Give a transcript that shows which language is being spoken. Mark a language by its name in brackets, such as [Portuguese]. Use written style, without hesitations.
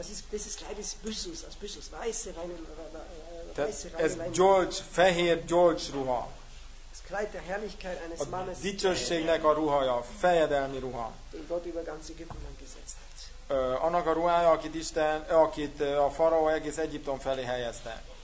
[German] Dieses Kleid ist Byssus, aus Byssus, weiße reine Leinen. [Hungarian] Ez gyolcs, fehér gyolcs ruha. [German] Das Kleid der Herrlichkeit eines Mannes. [Hungarian] A dicsőségnek a ruhaja, fejedelmi ruha. [German] Den Gott über ganz Ägypten angesetzt hat. [Hungarian] Annak a ruhája, akit Isten, akit a faraó egész Egyiptom felé helyezte.